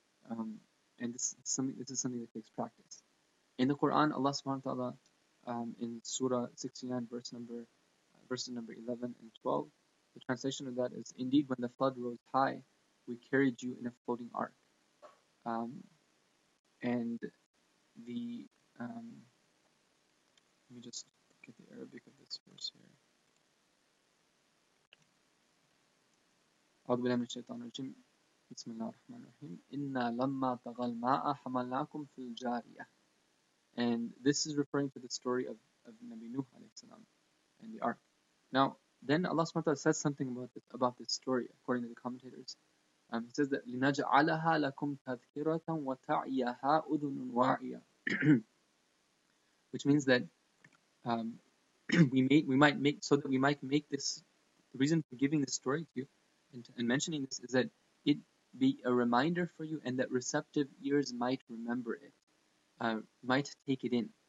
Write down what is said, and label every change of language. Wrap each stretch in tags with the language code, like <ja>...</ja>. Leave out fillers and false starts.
<en>And this is something that takes practice. In the Quran, Allah Subhanahu wa Taala, in Surah 69, verses number 11 and 12, the translation of that is: "Indeed, when the flood rose high, we carried you in a floating ark." And the let me just get the Arabic of this verse here.</en> <ar>أعوذ بالله من الشيطان الرجيم بسم الله الرحمن الرحيم إِنَّا لَمَّا طَغَى الْمَاءَ حَمَلْنَاكُمْ فِي الْجَارِيَةِ.</ar> <en>And this is referring to the story of Nabi Nuh alayhi salam and the ark. Now, then Allah subhanahu wa ta'ala says something about this story, according to the commentators. He says that</en> <ar>لِنَجْعَلَهَا لَكُمْ تَذْكِرَةً وَتَعْيَهَا أُذُنٌ وَاعِيَةٌ,</ar> <en>which means that we might make this, the reason for giving this story to you and mentioning this is that it be a reminder for you, and that receptive ears might remember it, might take it in.</en>